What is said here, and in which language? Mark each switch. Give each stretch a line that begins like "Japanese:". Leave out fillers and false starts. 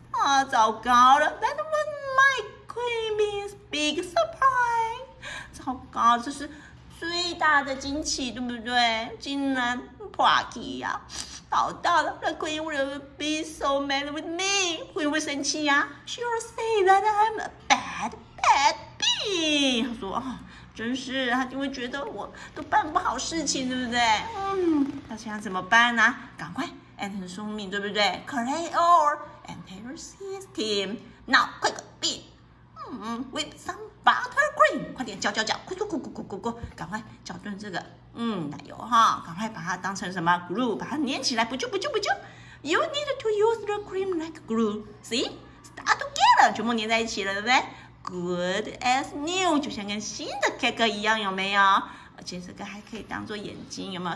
Chinese: 啊，糟糕了
English: ！That was my queen bee's big surprise.
Chinese: 糟糕，这是。最大的惊喜，对不对？竟然破气呀，倒到了。
English: The queen will be so mad with me. Queen will
Chinese: 生气呀。
English: She will say that I'm a bad, bad bee.
Chinese: 她说啊，真是，她就会觉得我都办不好事情，对不对？她想怎么办呢？赶快
English: and
Chinese: 很聪明，对不对
English: ？Crayon and paper system. Now, quick, beat. With some buttercream.
Chinese: 快点搅搅搅，咕咕咕咕咕咕咕，赶快搅匀这个奶油哈，赶快把它当成什么 glue， 把它粘起来，不就不就不就。
English: You need to use the cream like glue. See, start together.
Chinese: 全部粘在一起了，对不对？
English: Good as new，
Chinese: 就像跟新的 cake 一样，有没有？而且这个还可以当做眼睛，有没有？